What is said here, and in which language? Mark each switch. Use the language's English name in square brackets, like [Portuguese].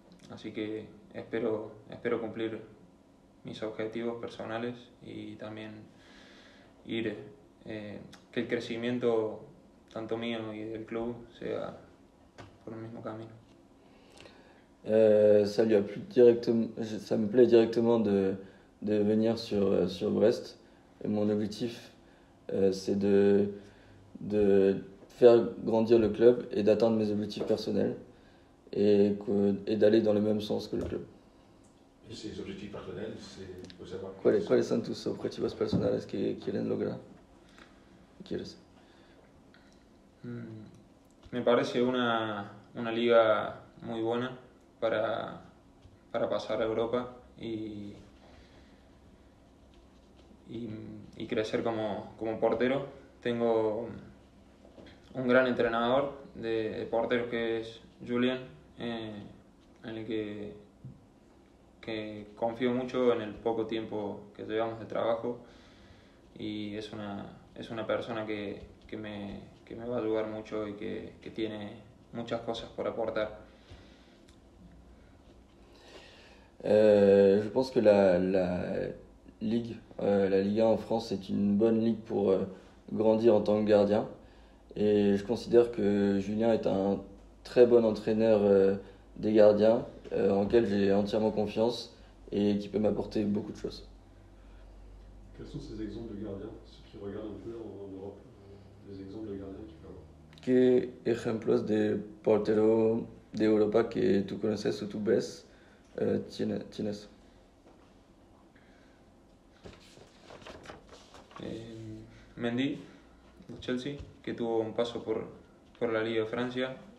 [Spanish] así que espero cumplir mis objetivos personales y también ir, que el crecimiento tanto mío y del club sea por el mismo camino. [French] Ça lui a plu directement, ça me plaît directement de venir sur Brest. Et mon objectif, c'est de faire grandir le club et d'atteindre mes objectifs personnels et d'aller dans le même sens que le club. Et ses objectifs personnels, c'est vous savoir. [Spanish] ¿Cuáles son tus objetivos personales que quieren lograr? ¿Quieres? Me parece una liga muy buena. Para pasar a Europa y crecer como portero. Tengo un gran entrenador de porteros que es Julien, en el que confío mucho en el poco tiempo que llevamos de trabajo, y es una persona que me va a ayudar mucho y que tiene muchas cosas por aportar. [French] Je pense que la Ligue 1 en France est une bonne ligue pour grandir en tant que gardien. Et je considère que Julien est un très bon entraîneur des gardiens, en lequel j'ai entièrement confiance et qui peut m'apporter beaucoup de choses. Quels sont ces exemples de gardiens, ceux qui regardent un peu en Europe, les exemples de gardiens qu'il peut avoir? [Spanish] Que ejemplos de portero de Europa que tú conoces o tú ves tienes? Mendy, de Chelsea, que tuvo un paso por la Liga de Francia.